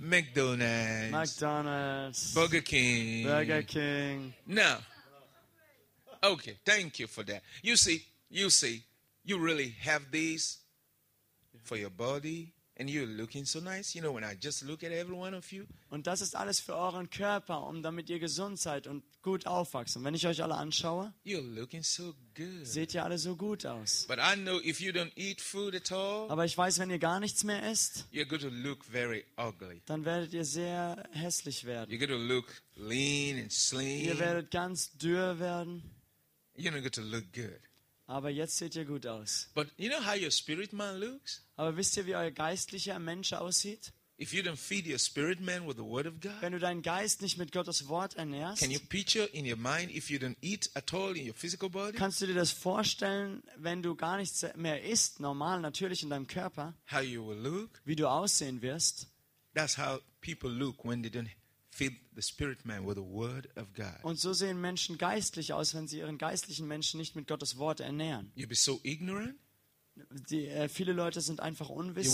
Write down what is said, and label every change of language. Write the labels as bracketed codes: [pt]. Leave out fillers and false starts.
[en] McDonald's, Burger King. Now, okay, thank you for that. You see. You really have this for your body and you're looking so nice. You know, when I just look at every one of you. [de] Und das ist alles für euren Körper, um damit ihr gesund seid und gut aufwachsen. Wenn ich euch alle anschaue, [en] you're looking so good. [de] Seht ihr alle so gut aus. [en] But I know if you don't eat food at all, [de] aber ich weiß, wenn ihr gar nichts mehr esst, [en] you're going to look very ugly. [de] Dann werdet ihr sehr hässlich werden. [en] You're going to look lean and slim. [de] Ihr werdet ganz dürr werden. [en] You're not going to look good. [de] Aber jetzt seht ihr gut aus. [en] But you know how your spirit man looks? [de] Aber wisst ihr, wie euer geistlicher Mensch aussieht? [en] If you don't feed your spirit man with the word of God, [de] wenn du deinen Geist nicht mit Gottes Wort ernährst, [en] can you picture in your mind if you don't eat at all in your physical body? [de] Kannst du dir das vorstellen, wenn du gar nichts mehr isst, normal, natürlich in deinem Körper? [en] How you will look? [de] Wie du aussehen wirst? [en] That's how people look when they don't feed the spirit man with the word of God. [de] Und so sehen Menschen geistlich aus, wenn sie ihren geistlichen Menschen nicht mit Gottes Wort ernähren. [en] You'll be so ignorant. [de] Viele Leute sind einfach unwissend.